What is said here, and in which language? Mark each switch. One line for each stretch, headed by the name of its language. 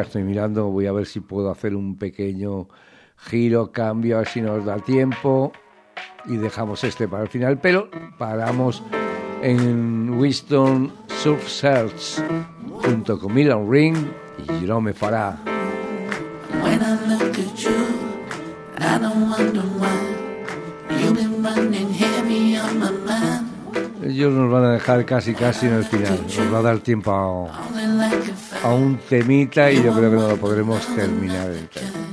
Spanish: Estoy mirando, voy a ver si puedo hacer un pequeño giro, cambio, a ver si nos da tiempo. Y dejamos este para el final, pero paramos en Winston Surf Search junto con Milan Ring y Jerome Farah.
English: When I look at you, I don't wonder why you've been running heavy on my mind.
Spanish: Ellos nos van a dejar casi casi en el final. Nos va a dar tiempo a un temita y yo creo que no lo podremos terminar entero.